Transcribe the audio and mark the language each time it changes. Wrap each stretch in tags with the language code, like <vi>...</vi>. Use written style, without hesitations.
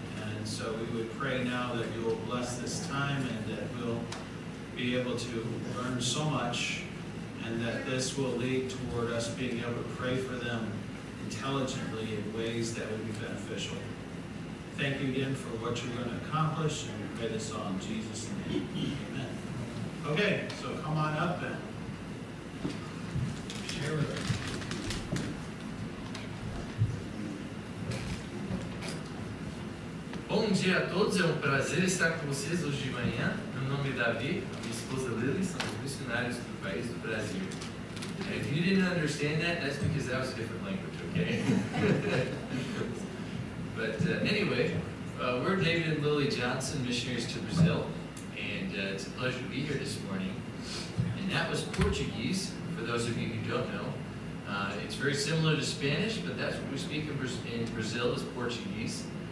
<en>And so we would pray now that you will bless this time and that we'll be able to learn so much and that this will lead toward us being able to pray for them intelligently in ways that would be beneficial. Thank you again for what you're going to accomplish, and we pray this all in Jesus' name. Amen. Okay, so come on up and share with us.</en> <pt>Bom dia a todos, é um prazer estar com vocês hoje de manhã. Meu nome é Davi, minha esposa Lily, somos missionários do país do Brasil.</pt> <en>If you didn't understand that, that's because that was a different language, okay? But anyway, we're David and Lily Johnson, missionaries to Brazil, and it's a pleasure to be here this morning. And that was Portuguese, for those of you who don't know. It's very similar to Spanish, but that's what we speak in Brazil is Portuguese.</en>